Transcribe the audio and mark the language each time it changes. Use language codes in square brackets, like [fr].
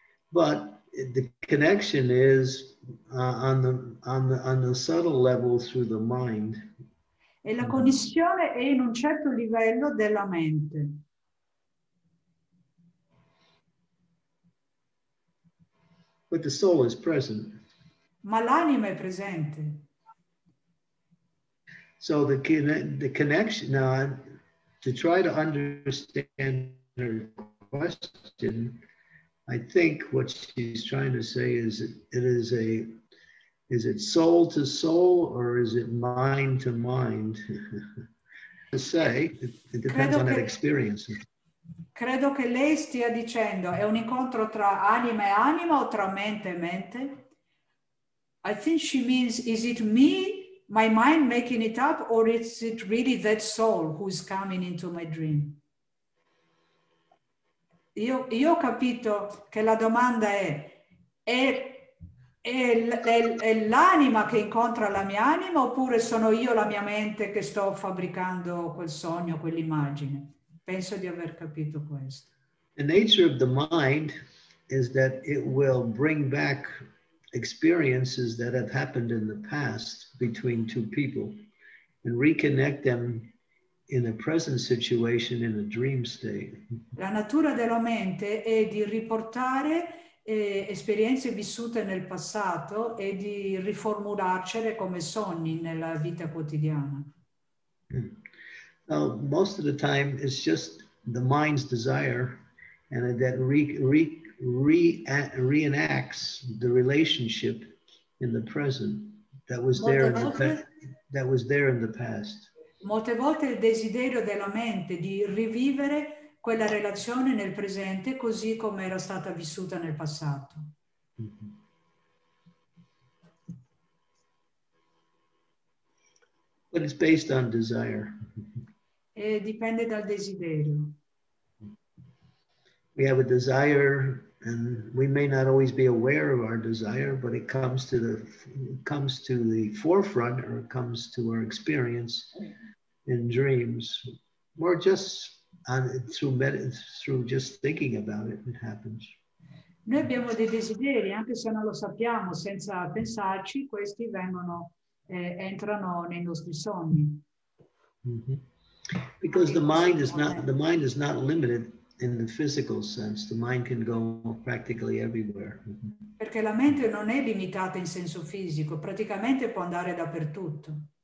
[en] But the connection is on the subtle level through the mind. [it] E la connessione è in un certo livello della mente. [en] But the soul is present. [it] Ma l'anima è presente. [en] So the connection now. To try to understand her question, I think what she's trying to say is it is soul to soul or is it mind to mind? To say, it depends on that experience. [it] Credo che lei stia dicendo, è un incontro tra anima e anima o tra mente e mente? [en] I think she means, is it me? My mind making it up, or is it really that soul who's coming into my dream? [it] Io ho capito che la domanda è l'anima che incontra la mia anima, oppure sono io la mia mente che sto fabbricando quel sogno, quell'immagine? Penso di aver capito questo. [en] The nature of the mind is that it will bring back experiences that have happened in the past between two people and reconnect them in a present situation in a dream state. [it] La natura della mente è di riportare esperienze vissute nel passato e di riformularcele come sogni nella vita quotidiana. [en] Well, most of the time it's just the mind's desire, and that reenacts the relationship in the present that was there in the past. [it] Molte volte il desiderio della mente di rivivere quella relazione nel presente così come era stata vissuta nel passato. Mm-hmm. [en] But it's based on desire. [it] E dipende dal desiderio. [en] We have a desire and we may not always be aware of our desire, but it comes to the forefront, or it comes to our experience in dreams, or just through just thinking about it, it happens. [it] Noi abbiamo dei desideri, anche se non lo sappiamo, senza pensarci, questi entrano nei nostri sogni. Mm-hmm. [en] Because the mind is not limited in the physical sense. The mind can go practically everywhere. [it] Perché la mente non è limitata in senso fisico, praticamente può andare dappertutto.